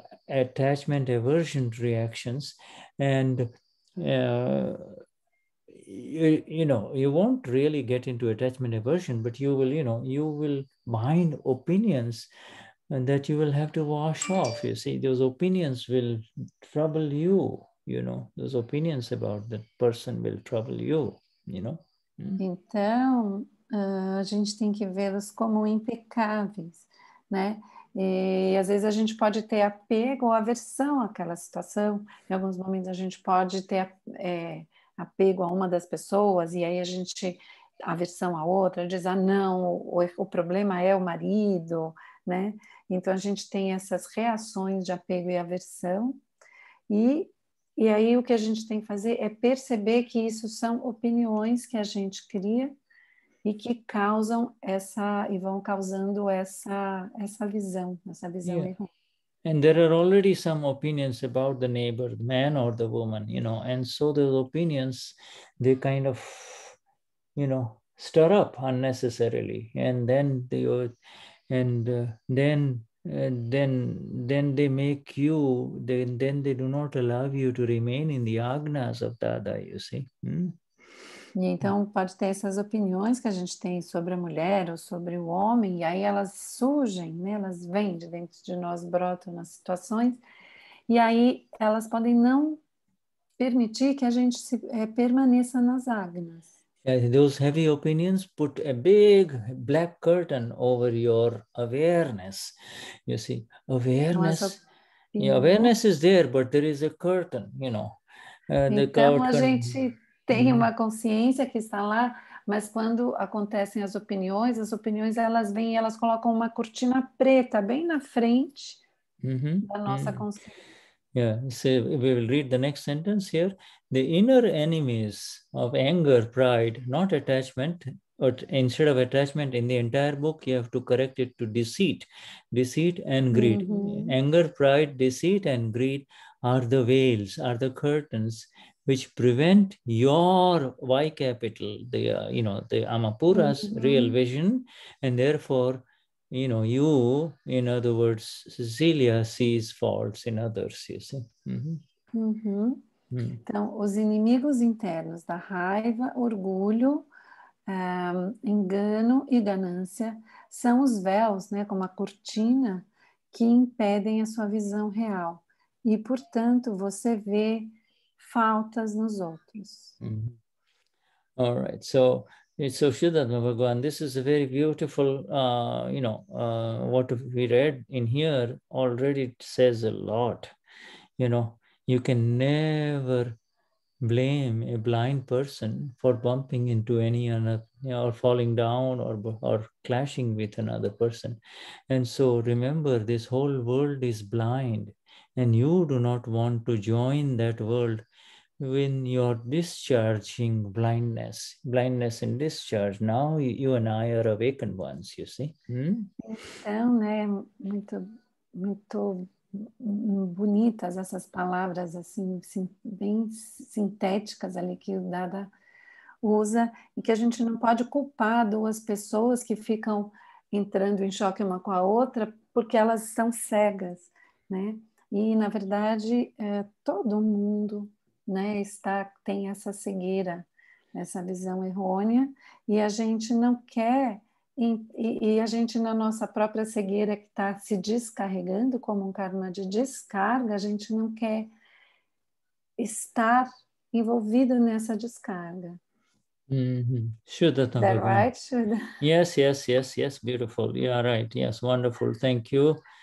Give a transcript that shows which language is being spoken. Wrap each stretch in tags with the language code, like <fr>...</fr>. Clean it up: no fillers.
<en>attachment aversion reactions, and you won't really get into attachment aversion, but you will, you know, you will mind opinions and that you will have to wash off, you see. Those opinions will trouble you, you know. Those opinions about that person will trouble you, you know.</en> <pt>Então, a gente tem que vê-los como impecáveis, né? E às vezes a gente pode ter apego ou aversão àquela situação. Em alguns momentos a gente pode ter apego a uma das pessoas e aí a gente, aversão à outra, diz, ah, não, o problema é o marido, né? Então, a gente tem essas reações de apego e aversão. E aí, o que a gente tem que fazer é perceber que isso são opiniões que a gente cria e que causam essa... E vão causando essa visão errada.</pt> <en>And there are already some opinions about the neighbor, the man or the woman, you know. And so, those opinions, they kind of, you know, stir up unnecessarily. And then they do not allow you to remain in the agnas of Dada, you see.</en> <pt>E então pode ter essas opiniões que a gente tem sobre a mulher ou sobre o homem, e aí elas surgem, né? Elas vêm de dentro de nós, brotam nas situações, e aí elas podem não permitir que a gente permaneça nas agnas.</pt> <en>Those heavy opinions put a big black curtain over your awareness. You see, awareness is there, but there is a curtain, you know.</en> <pt>A gente tem uma consciência que está lá, mas quando acontecem as opiniões elas vêm e elas colocam uma cortina preta bem na frente da nossa consciência.</pt> <en>Yeah, so we will read the next sentence here. The inner enemies of anger, pride, not attachment, but instead of attachment in the entire book, you have to correct it to deceit and greed. Mm-hmm. Anger, pride, deceit, and greed are the veils, are the curtains, which prevent your Y capital, the Amapuras, mm-hmm. real vision, and therefore, you know, you, in other words, Cecilia sees faults in others, you see. Mm-hmm. Mm-hmm.</en> <pt>Então, os inimigos internos da raiva, orgulho, engano e ganância são os véus, né, como a cortina, que impedem a sua visão real. E, portanto, você vê faltas nos outros.</pt> <en>Mm-hmm. All right, so... It's so Vishuddhatma Bhagavan. This is a very beautiful, what we read in here already says a lot. You know, you can never blame a blind person for bumping into any another, or falling down or clashing with another person. And so remember, this whole world is blind and you do not want to join that world when you're discharging blindness and discharge. Now you and I are awakened ones, you see.</en> <pt>Então, né, muito, muito bonitas essas palavras, assim, bem sintéticas ali que o Dada usa, e que a gente não pode culpar duas pessoas que ficam entrando em choque uma com a outra, porque elas são cegas, né? E, na verdade, todo mundo... Né, tem essa cegueira, essa visão errônea, e a gente não quer, e a gente na nossa própria cegueira que está se descarregando como um karma de descarga, a gente não quer estar envolvido nessa descarga. Mm-hmm.</pt> <en>Right, yes, beautiful, you are right, yes, wonderful, thank you.</en>